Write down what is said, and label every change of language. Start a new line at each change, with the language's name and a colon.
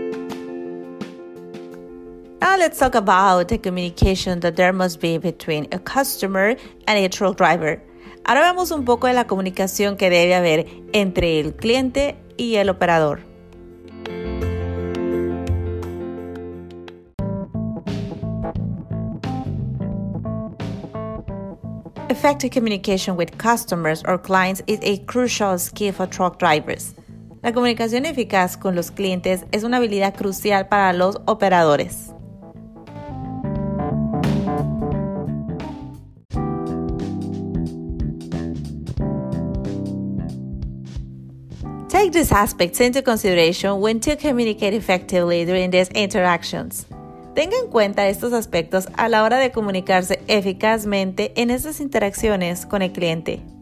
English: Now let's talk about the communication that there must be between a customer and a truck driver.
Spanish: Ahora vemos un poco de la comunicación que debe haber entre el cliente y el operador.
English: Effective communication with customers or clients is a crucial skill for truck drivers.
Spanish: La comunicación eficaz con los clientes es una habilidad crucial para los operadores.
English: Take these aspects into consideration when to communicate effectively during these interactions.
Spanish: Tenga en cuenta estos aspectos a la hora de comunicarse eficazmente en estas interacciones con el cliente.